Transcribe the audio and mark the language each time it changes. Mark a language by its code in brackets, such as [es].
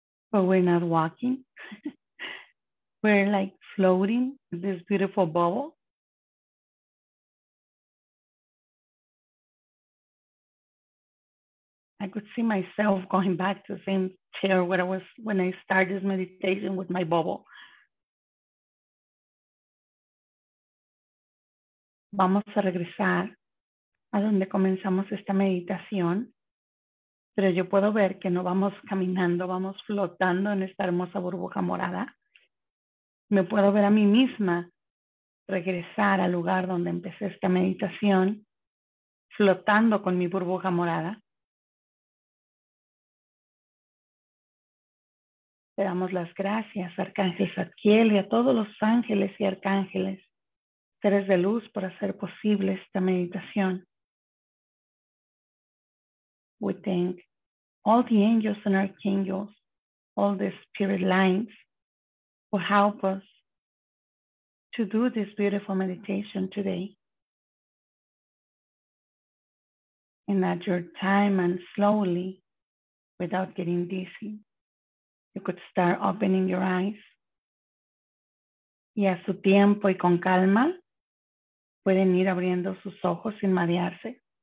[en] But we're not walking. We're like floating in this beautiful bubble. I could see myself going back to the same chair where I was when I started this meditation with my bubble. [es] Vamos a regresar a donde comenzamos esta meditación. pero yo puedo ver que no vamos caminando, vamos flotando en esta hermosa burbuja morada. Me puedo ver a mí misma regresar al lugar donde empecé esta meditación, flotando con mi burbuja morada. Te damos las gracias, Arcángel Zadkiel, y a todos los ángeles y arcángeles, seres de luz, por hacer posible esta meditación. [en] We thank all the angels and archangels, all the spirit lines, who help us to do this beautiful meditation today. And at your time and slowly, without getting dizzy, you could start opening your eyes. [es] Y a su tiempo y con calma, pueden ir abriendo sus ojos sin marearse.